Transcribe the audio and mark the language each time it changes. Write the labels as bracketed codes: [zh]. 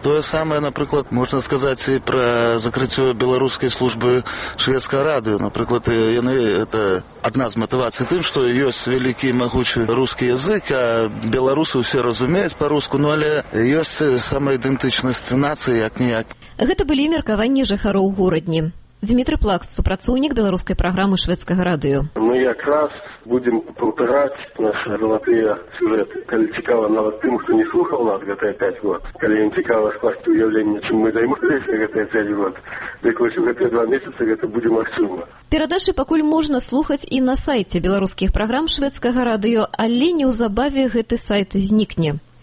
[ru] То же самое, например, можно сказать и про закрытие белорусской службы шведского радио. Например, это одна из мотиваций тем, что есть великий и могучий русский язык, а белорусы все разумеют по-русски, но есть самоидентичность нации, как нияк. [be] Это были меркования жыхароў горадні. Дмитрий Плакс, супрацоўнік беларускай [ru] программы шведского радио. Мы как раз будем повторять наши золотые сюжеты. [be] Коли цікава нават тым, хто не слухал нас гэтыя 5 год, коли ім цікава скласці уявленне, чым мы займаліся гэтыя 5 год, так вось у гэтыя 2 месяцы гэта будзе магчыма. Перадачы пакуль можна слухаць і на сайце беларускіх праграм шведскага радыё, але неўзабаве гэты сайт знікне.